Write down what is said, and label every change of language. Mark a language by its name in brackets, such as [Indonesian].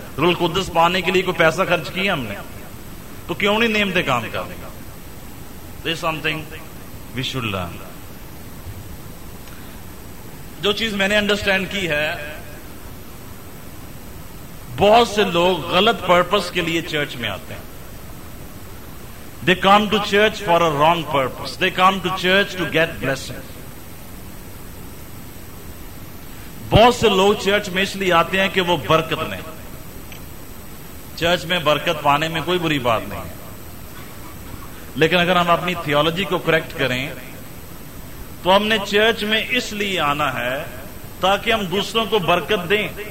[Urdu] روح القدس پانے کے لیے کوئی پیسہ خرچ کیا ہم نے تو کیوں نہیں نعمتیں کام کرنے کا؟ [English] This something we should learn. [Urdu] جو چیز میں نے انڈرسٹینڈ کی ہے, بہت سے لوگ غلط پرپس کے لیے چرچ میں آتے ہیں. [English] They come to church for a wrong purpose, they come to church to get blessing. [Urdu] بہت سے لوگ چرچ میں اس لیے آتے ہیں کہ وہ برکت لیں. چرچ میں برکت پانے میں کوئی بری بات نہیں, لیکن اگر ہم اپنی تھیولوجی کو کریکٹ کریں تو ہم نے چرچ میں اس لیے آنا ہے تاکہ ہم دوسروں کو برکت دیں.